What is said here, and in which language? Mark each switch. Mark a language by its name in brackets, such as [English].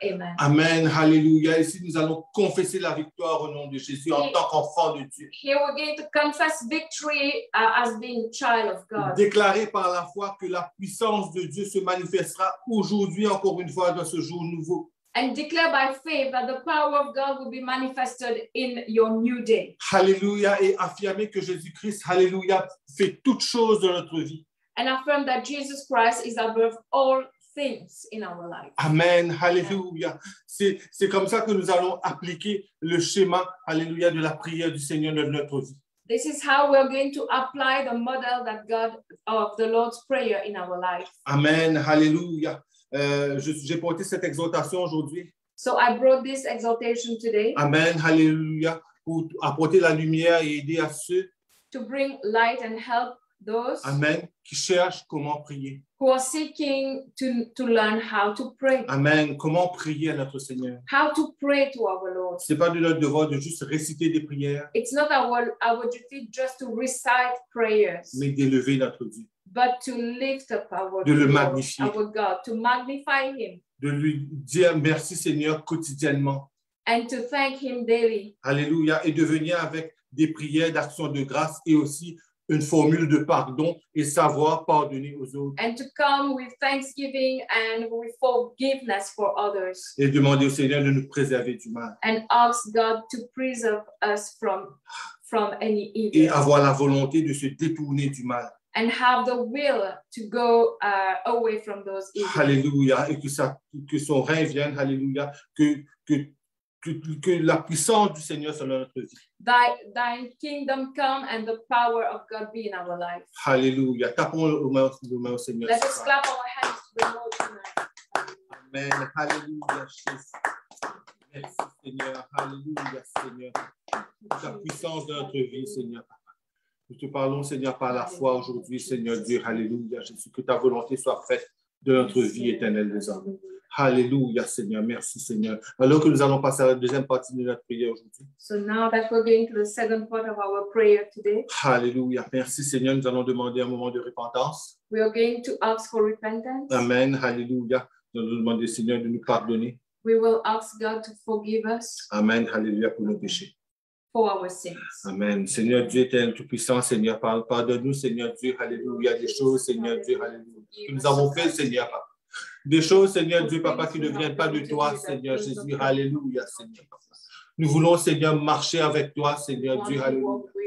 [French] Amen. Amen. Hallelujah. Ici, nous allons confesser la victoire au nom de Jésus en tant qu'enfant de Dieu. [English] Here we're going to confess victory as being a child of God. [French] Déclarer par la foi que la puissance de Dieu se manifestera aujourd'hui encore une fois dans ce jour nouveau. [English] And declare by faith that the power of God will be manifested in your new day. Hallelujah. [French] Et affirmer que Jésus-Christ, hallelujah, fait toutes choses dans notre vie. [English] And affirm that Jesus Christ is above all things in our life. Amen. Hallelujah. [French] C'est comme ça que nous allons appliquer le schéma, hallelujah, de la prière du Seigneur dans notre vie. [English] This is how we're going to apply the model that God of the Lord's prayer in our life. Amen. Hallelujah. [French] J'ai porté cette exhortation aujourd'hui. [English] So I brought this exhortation today. [French] Amen, hallelujah, pour apporter la lumière et aider à ceux. [English] To bring light and help those. [French] Amen, qui cherchent comment prier. [English] Who are seeking to learn how to pray. [French] Amen, comment prier à notre Seigneur. [English] How to pray to our Lord. [French] C'est pas de notre devoir de juste réciter des prières. [English] It's not our duty just to recite prayers. [French] Mais d'élever notre Dieu. [English] But to lift up our [French] de le magnifier, [English] Lord, our God, to magnify him, [French] de lui dire merci Seigneur quotidiennement, [English] and to thank him daily. [French] Alléluia, et de venir avec des prières d'action de grâce et aussi une formule de pardon et savoir pardonner aux autres, [English] and to come with thanksgiving and with forgiveness for others, [French] et demander au Seigneur de nous préserver du mal, [English] and ask God to preserve us from any evil, [French] et avoir la volonté de se détourner du mal. [English] And have the will to go away from those evil. Hallelujah. [French] Et que son règne vienne, hallelujah. Que la puissance du Seigneur soit dans notre vie. [English] Thine kingdom come and the power of God be in our life. Hallelujah. [French] Tapons le main au Seigneur. [English] Let us clap our hands to the Lord tonight. [French] Amen. Hallelujah. Merci Seigneur. Hallelujah Seigneur. La puissance dans notre vie, Seigneur. Nous te parlons, Seigneur, par la foi aujourd'hui, Seigneur Dieu. Alléluia, Jésus, que ta volonté soit faite de notre vie éternelle désormais. Alléluia, Seigneur. Merci, Seigneur. Alors que nous allons passer à la deuxième partie de notre prière aujourd'hui. [English] So now that we're going to the second part of our prayer today. [French] Alléluia. Merci, Seigneur. Nous allons demander un moment de repentance. [English] We are going to ask for repentance. Amen. Alléluia. [French] Nous allons demander, Seigneur, de nous pardonner. [English] We will ask God to forgive us. Amen. [French] Alléluia pour nos péchés. [English] For our sins. Amen. [French] Seigneur Dieu éternel, tout puissant, Seigneur, pardonne-nous, Seigneur Dieu. Alléluia. Des choses, Seigneur Dieu. Alléluia. Que nous avons fait, Seigneur. Des choses, Seigneur Dieu, Papa, qui ne viennent pas de toi, Seigneur Jésus. Alléluia, Seigneur. Nous voulons, Seigneur, marcher avec toi, Seigneur Dieu. Alléluia.